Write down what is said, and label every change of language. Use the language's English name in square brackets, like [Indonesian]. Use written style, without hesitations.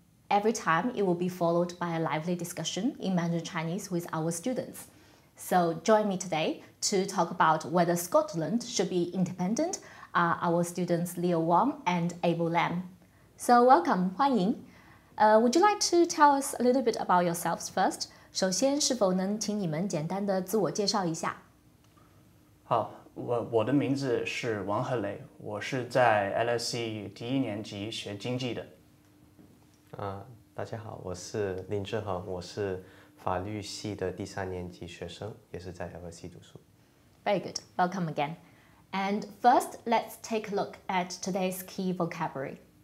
[English] Every time, it will be followed by a lively discussion in Mandarin Chinese with our students. So join me today to talk about whether Scotland should be independent are our students Leo Wong and Abel Lam. So welcome, [Chinese] 欢迎。 [English] Would you like to tell us a little bit about yourselves first? [Chinese] 首先是否能请你们简单的自我介绍一下？好，我的名字是王和雷，我是在 LSE 第一年级学经济的。大家好，我是林志恒，我是法律系的第三年级学生，也是在 LSE 读书。 [English] Very good, welcome again. And first, let's take a look at today's key vocabulary.